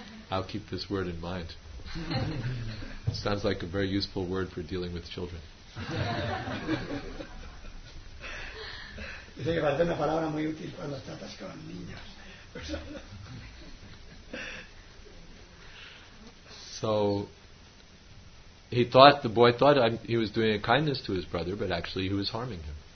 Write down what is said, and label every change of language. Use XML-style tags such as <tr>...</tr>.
<en>I'll keep this word in mind. It sounds like a very useful word for dealing with children.</en> <es>Dice que falta una palabra muy útil cuando tratas con niños.</es> <en>So he thought, the boy thought he was doing a kindness to his brother, but actually he was harming him.</en>